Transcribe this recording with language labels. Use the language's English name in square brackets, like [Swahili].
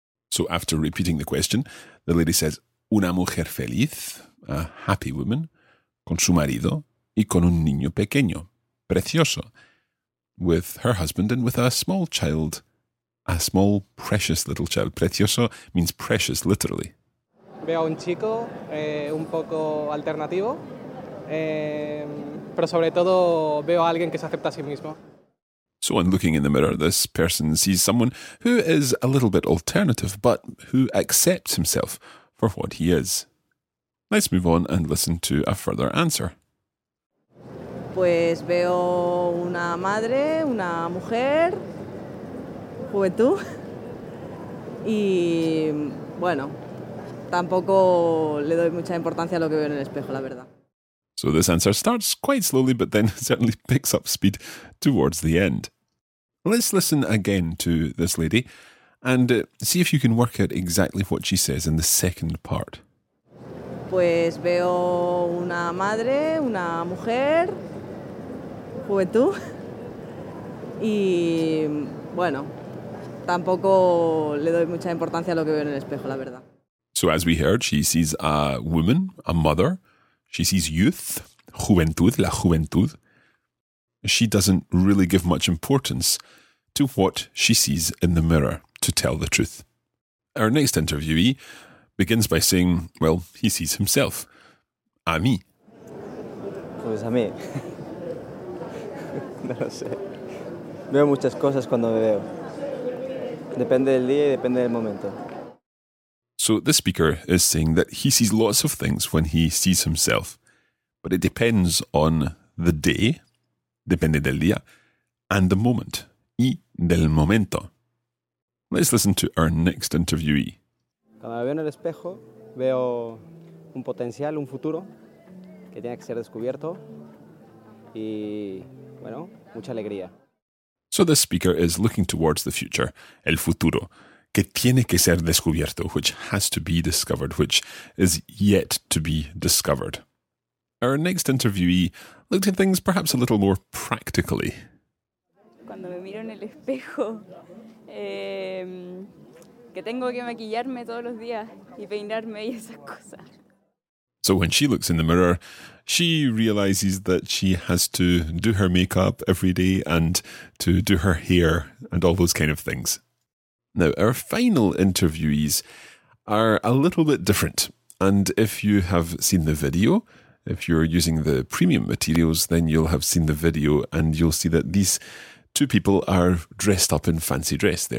[English] So after repeating the question, the lady says, [Spanish] una mujer feliz, [English] a happy woman, [Spanish] con su marido y con un niño pequeño, precioso, [English] with her husband and with a small child, a small, precious little child. Precioso means precious, literally. [Spanish] Veo a un chico un poco alternativo, pero sobre todo veo a alguien que se acepta a sí mismo. [English] So on looking in the mirror, this person sees someone who is a little bit alternative, but who accepts himself for what he is. Let's move on and listen to a further answer. [Spanish] Pues veo una madre, una mujer, juventud, y bueno, tampoco le doy mucha importancia a lo que veo en el espejo, la verdad. [English] So this answer starts quite slowly, but then certainly picks up speed towards the end. Let's listen again to this lady and see if you can work out exactly what she says in the second part. [Spanish] Pues veo una madre, una mujer, juventud, y bueno, tampoco le doy mucha importancia a lo que veo en el espejo, la verdad. [English] So as we heard, she sees a woman, a mother, she sees youth, juventud, la juventud. She doesn't really give much importance to what she sees in the mirror, to tell the truth. Our next interviewee begins by saying, well, he sees himself. [Spanish] A mí. Pues a mí. No lo sé. Veo muchas cosas cuando me veo. Depende del día y depende del momento. [English] So this speaker is saying that he sees lots of things when he sees himself, but it depends on the day, [Spanish] depende del día, [English] and the moment, [Spanish] y del momento. [English] Let's listen to our next interviewee. [Spanish] Cuando me veo en el espejo, veo un potencial, un futuro, que tiene que ser descubierto, y, bueno, mucha alegría. [English] So this speaker is looking towards the future, el futuro, [Spanish] que tiene que ser descubierto, [English] which has to be discovered, which is yet to be discovered. Our next interviewee looked at things perhaps a little more practically. [Spanish] Cuando me miro en el espejo, que tengo que maquillarme todos los días y peinarme y esas cosas. [English] So when she looks in the mirror, she realizes that she has to do her makeup every day and to do her hair and all those kind of things. Now, our final interviewees are a little bit different. And if you have seen the video, if you're using the premium materials, then you'll have seen the video and you'll see that these two people are dressed up in fancy dress.